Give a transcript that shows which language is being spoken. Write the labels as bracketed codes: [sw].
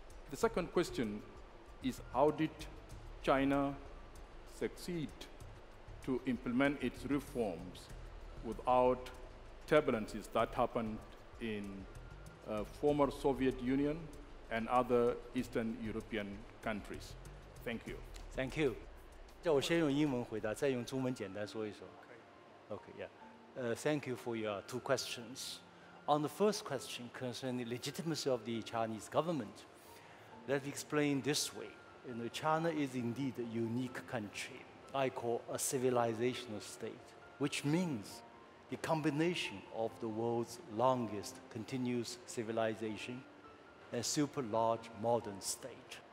[en] The second question is, how did China succeed to implement its reforms without turbulences that happened in former Soviet Union and other Eastern European countries? Thank you. Thank you. [zh] 叫我先用英文回答，再用中文简单说一说。 [en] Okay, yeah. Thank you for your 2 questions. On the first question concerning the legitimacy of the Chinese government, let me explain this way. You know, China is indeed a unique country, I call a civilizational state, which means the combination of the world's longest continuous civilization and super large modern state.